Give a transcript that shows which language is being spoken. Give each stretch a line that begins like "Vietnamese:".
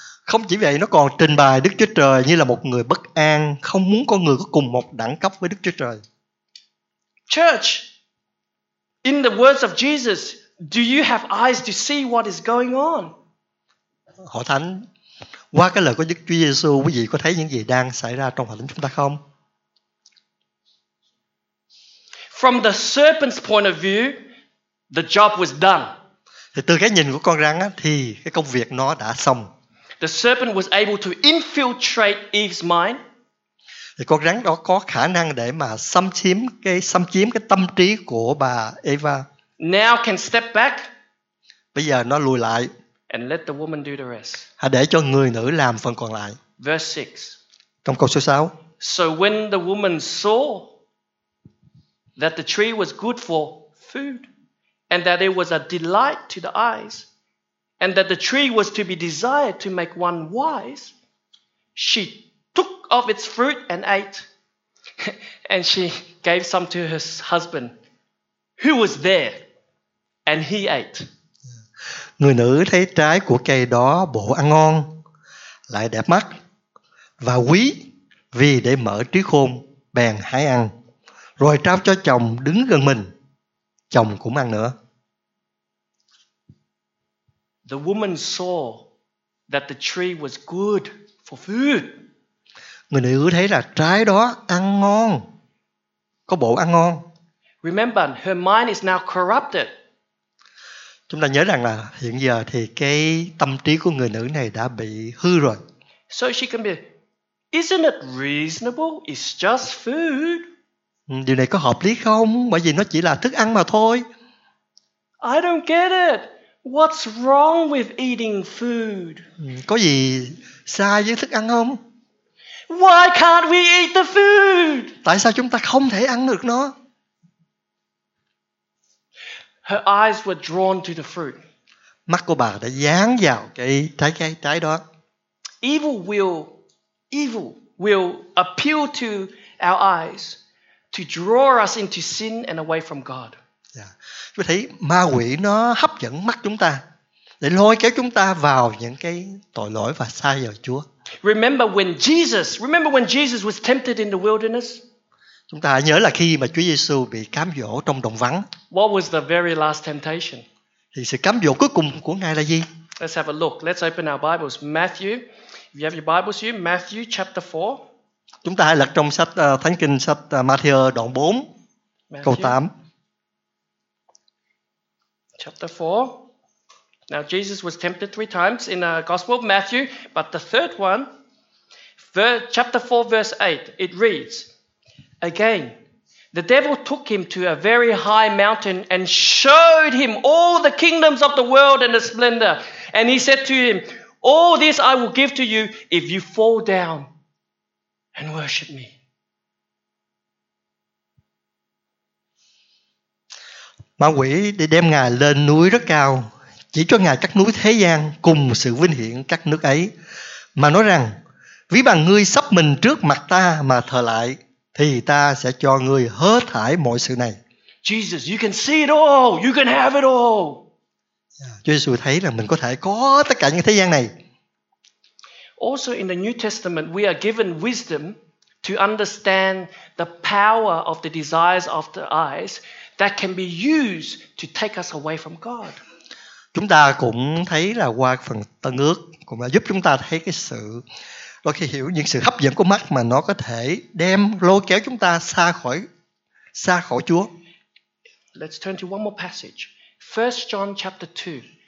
Vietnamese: Không chỉ vậy, nó còn trình bày Đức Chúa Trời như là một người bất an, không muốn con người có cùng một đẳng cấp với Đức Chúa Trời.
English: Church, in the words of Jesus, do you have eyes to see what is going on?
Vietnamese: Hội thánh, qua cái lời của Đức Chúa Giêsu, quý vị có thấy những gì đang xảy ra trong hội thánh chúng ta không?
English: From the serpent's point of view, the job was done.
Vietnamese: Thì từ cái nhìn của con rắn á, thì cái công việc nó đã xong.
English: The serpent was able to infiltrate Eve's mind.
Vietnamese: Thì con rắn đó có khả năng để mà xâm chiếm cái tâm trí của bà Eva.
English: Now can step back.
Vietnamese: Bây giờ nó lùi lại.
English: And let the woman do the rest.
Vietnamese: Hãy để cho người nữ làm phần còn lại.
English: Verse 6.
Vietnamese: Trong câu số 6.
English: So when the woman saw that the tree was good for food and that it was a delight to the eyes and that the tree was to be desired to make one wise, she of its fruit and ate, and she gave some to her husband, who was there, and he ate.
Vietnamese: Người nữ thấy trái của cây đó bổ ăn ngon, lại đẹp mắt và quý vì để mở trí khôn, bèn hái ăn, rồi trao cho chồng đứng gần mình, chồng cũng ăn nữa.
English: The woman saw that the tree was good for food.
Vietnamese: Người nữ thấy là trái đó ăn ngon, có bộ ăn ngon.
English: Remember, her mind is now corrupted.
Vietnamese: Chúng ta nhớ rằng là hiện giờ thì cái tâm trí của người nữ này đã bị hư rồi.
English: So she can be, isn't it reasonable? It's just food.
Vietnamese: Điều này có hợp lý không? Bởi vì nó chỉ là thức ăn mà thôi.
English: I don't get it. What's wrong with eating food?
Vietnamese: Có gì sai với thức ăn không?
English: Why can't we eat the food?
Vietnamese: Tại sao chúng ta không thể ăn được nó?
English: Her eyes were drawn to the fruit.
Vietnamese: Mắt của bà đã dán vào cái trái đó.
English: Evil will appeal to our eyes to draw us into sin and away from God.
Vietnamese: Chúng ta thấy ma quỷ nó hấp dẫn mắt chúng ta để lôi kéo chúng ta vào những cái tội lỗi và sai vào Chúa.
English: Remember when Jesus was tempted in the wilderness?
Vietnamese: Chúng ta nhớ là khi mà Chúa Giêsu bị cám dỗ trong đồng vắng.
English: What was the very last temptation?
Vietnamese: Thì sự cám dỗ cuối cùng của Ngài là gì?
English: Let's have a look. Let's open our Bibles. Matthew. If you have your Bibles here, Matthew chapter 4.
Vietnamese: Chúng ta hãy lật trong sách Thánh Kinh, sách Matthew đoạn 4, Matthew. Câu 8.
English: Chapter 4. Now Jesus was tempted 3 times in the Gospel of Matthew, but the third one, chapter 4 verse 8, it reads, again, the devil took him to a very high mountain and showed him all the kingdoms of the world and the splendor. And he said to him, all this I will give to you if you fall down and worship me.
Vietnamese: Ma quỷ để đem Ngài lên núi rất cao, chỉ cho Ngài các núi thế gian cùng sự vinh hiển các nước ấy, mà nói rằng, ví bằng ngươi sắp mình trước mặt ta mà thờ lại, thì ta sẽ cho ngươi hết thải mọi sự này.
English: Jesus, you can see it all, you can have it all.
Vietnamese: Chúa Giêsu thấy là mình có thể có tất cả những thế gian này.
English: Also in the New Testament, we are given wisdom to understand the power of the desires of the eyes that can be used to take us away from God.
Vietnamese: Chúng ta cũng thấy là qua phần Tân Ước cũng đã giúp chúng ta thấy cái sự, đôi khi hiểu những sự hấp dẫn của mắt mà nó có thể đem lôi kéo chúng ta xa khỏi Chúa.
English: Let's turn to one more passage. 1 John chapter 2.